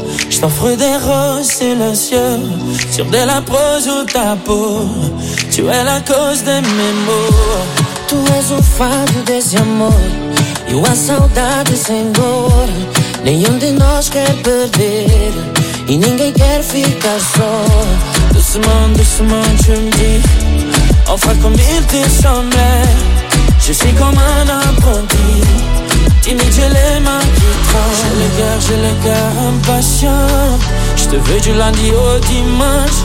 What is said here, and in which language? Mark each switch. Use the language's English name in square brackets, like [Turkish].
[French] Je t'offre des roses et le ciel sur de la prose ou ta peau. Tu es la cause de mes maux. Tu es un fado [Portuguese] desse amor e uma saudade sem dor. Nenhum de nós quer perder e ninguém quer ficar só. [French] Doucement, doucement, tu me dis, enfin comme il te semblait. Je suis comme un apprenti. Timide, j'ai les mains qui tremblent. J'ai le cœur impatient. Je te veux du lundi au dimanche.